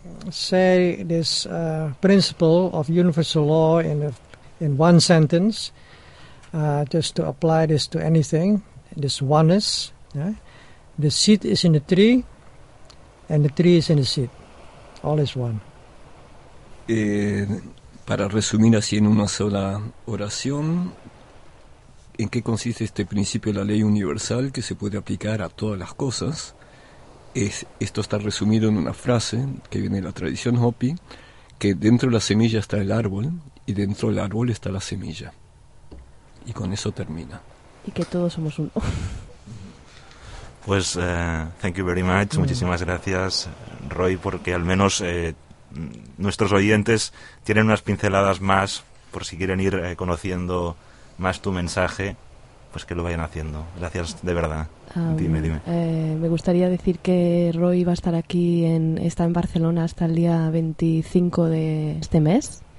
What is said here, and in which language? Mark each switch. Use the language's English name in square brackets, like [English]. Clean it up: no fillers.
[English] Say this principle of universal law in one sentence, just to apply this to anything, this oneness, yeah? The seed is in the tree and the tree is in the seed, all is one. [Spanish] Para resumir así en una sola oración, ¿en qué consiste este principio de la ley universal que se puede aplicar a todas las cosas? esto está resumido en una frase que viene de la tradición Hopi, que dentro de la semilla está el árbol y dentro del árbol está la semilla. Y con eso termina. Y que todos somos uno. [English] Pues, thank you very much. [Spanish] Muchísimas gracias, Roy, porque al menos nuestros oyentes tienen unas pinceladas más, por si quieren ir conociendo más tu mensaje, pues que lo vayan haciendo. Gracias, de verdad. Dime. Me gustaría decir que Roy va a estar aquí, está en Barcelona hasta el día 25 de este mes.